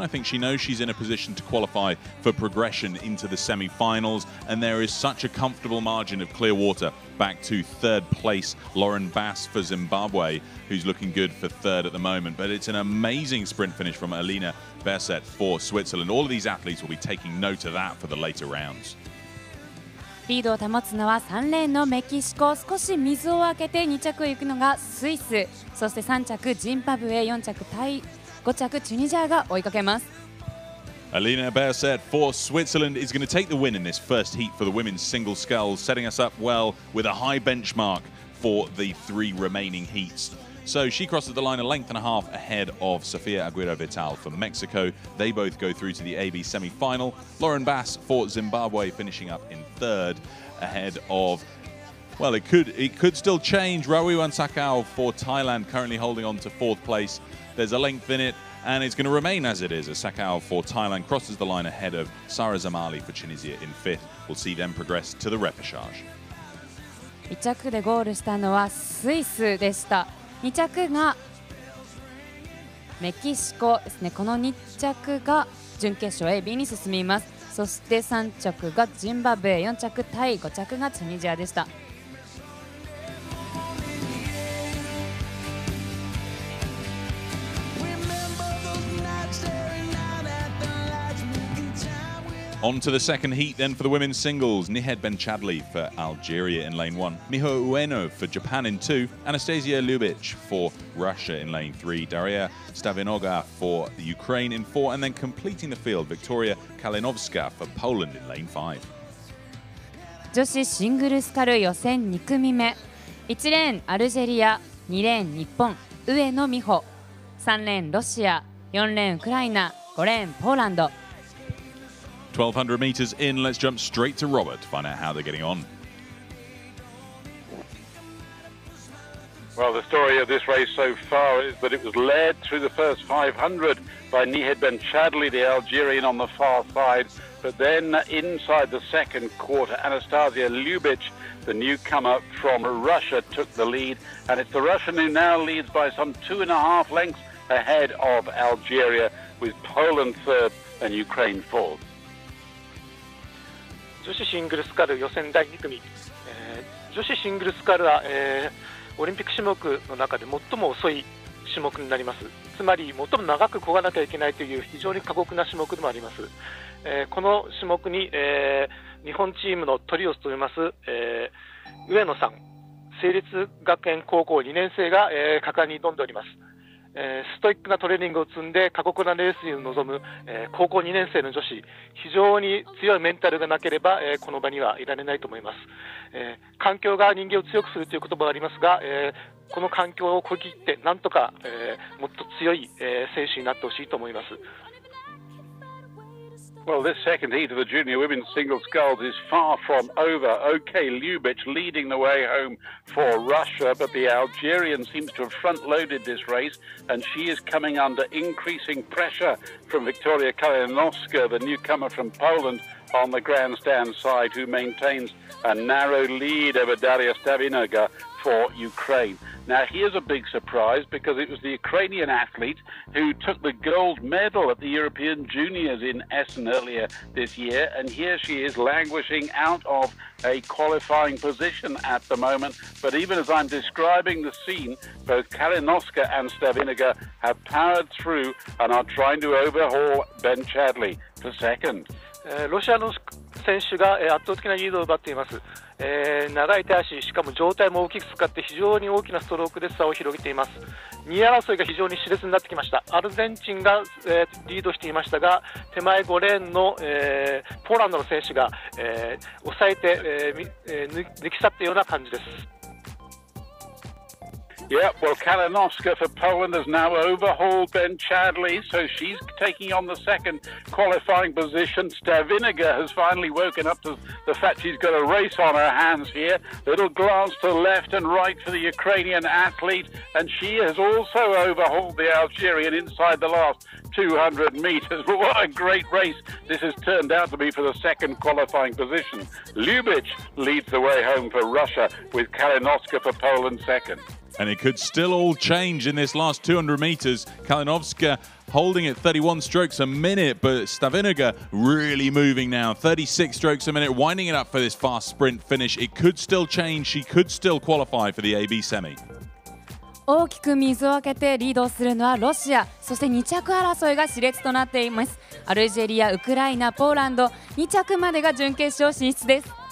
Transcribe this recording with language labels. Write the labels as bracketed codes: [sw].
[en] I think she knows she's in a position to qualify for progression into the semi-finals, and there is such a comfortable margin of clear water back to third place, Lauren Bass for Zimbabwe, who's looking good for third at the moment. But it's an amazing sprint finish from Alina Bassett for Switzerland. All of these athletes will be taking note of that for the later rounds. [ja] リードを保つのは3レーンのメキシコ、少し水をあけて2着行くのがスイス、そして3着ジンバブエ、4着タイ、5着チュニジアが追いかけます。 [en] Alina Bassett for Switzerland is going to take the win in this first heat for the women's single sculls, setting us up well with a high benchmark for the three remaining heats. So she crosses the line a length and a half ahead of Sofia Aguirre Vital for Mexico. They both go through to the AB semi-final. Lauren Bass for Zimbabwe finishing up in third ahead of, well, it could still change. Rawiwan Sakau for Thailand currently holding on to fourth place. There's a length in it, and it's going to remain as it is. As Sakau for Thailand crosses the line ahead of Sara Zamali for Tunisia in fifth. We'll see them progress to the repechage. [ja] 1着でゴールしたのはスイスでした。2着がメキシコですね。この2着が準決勝 AB に進みます。そして3着がジンバブエ、4着タイ、5着がチュニジアでした。 [en] On to the second heat then for the women's singles. Nihed Benchadli for Algeria in lane one. Miho Ueno for Japan in two. Anastasia Lubich for Russia in lane three. Daria Stavinoga for Ukraine in four. And then completing the field, Victoria Kalinowska for Poland in lane five. [ja] 女子シングルスカル予選2組目。1レーンアルジェリア、2レーン日本、上野美穂。 3レーンロシア、4レーンウクライナ、5レーンポーランド。 [en] 1200 meters in, let's jump straight to Robert to find out how they're getting on. Well, the story of this race so far is that it was led through the first 500 by Nihed Ben Chadli, the Algerian on the far side. But then inside the second quarter, Anastasia Lubich, the newcomer from Russia, took the lead. And it's the Russian who now leads by some 2.5 lengths ahead of Algeria, with Poland third and Ukraine fourth. [ja] 女子シングルスカル予選第2組、女子シングルスカルは、オリンピック種目の中で最も遅い種目になります。つまり最も長く漕がなきゃいけないという非常に過酷な種目でもあります。この種目に、日本チームのトリを務めます、上野さん、成立学園高校2年生が、果敢に挑んでおります。ストイックなトレーニングを積んで過酷なレースに臨む、高校2年生の女子、非常に強いメンタルがなければ、この場にはいられないと思います。環境が人間を強くするという言葉がありますが、この環境をこぎってなんとか、もっと強い、選手になってほしいと思います。 [en] Well, this second heat of the junior women's single sculls is far from over. OK, Lubich leading the way home for Russia, but the Algerian seems to have front-loaded this race, and she is coming under increasing pressure from Victoria Kalinowska, the newcomer from Poland on the grandstand side, who maintains a narrow lead over Daria Stavinoga for Ukraine. Now, here's a big surprise, because it was the Ukrainian athlete who took the gold medal at the European Juniors in Essen earlier this year, and here she is languishing out of a qualifying position at the moment. But even as I'm describing the scene, both Kalinowska and Stavinoga have powered through and are trying to overhaul Ben Chadli for second. [ja] ロシアの選手が圧倒的なリードを奪っています。長い手足、しかも上体も大きく使って非常に大きなストロークで差を広げています。 2位争いが非常に熾烈になってきました。アルゼンチンが、リードしていましたが、手前5レーンの、ポーランドの選手が、抑えて、抜き去ったような感じです。 [en] Yep, well, Kalinowska for Poland has now overhauled Ben Chadli, so she's taking on the second qualifying position. Stavinoga has finally woken up to the fact she's got a race on her hands here. Little glance to left and right for the Ukrainian athlete, and she has also overhauled the Algerian inside the last 200 meters. But what a great race this has turned out to be for the second qualifying position. Lubich leads the way home for Russia, with Kalinowska for Poland second. And it could still all change in this last 200 meters. Kalinowska holding it 31 strokes a minute, but Stavinoga really moving now. 36 strokes a minute, winding it up for this fast sprint finish. It could still change. She could still qualify for the AB semi. [ja] 大きく水をあけてリードするのはロシア。そして2着争いが熾烈となっています。アルジェリア、ウクライナ、ポーランド、2着までが準決勝進出です。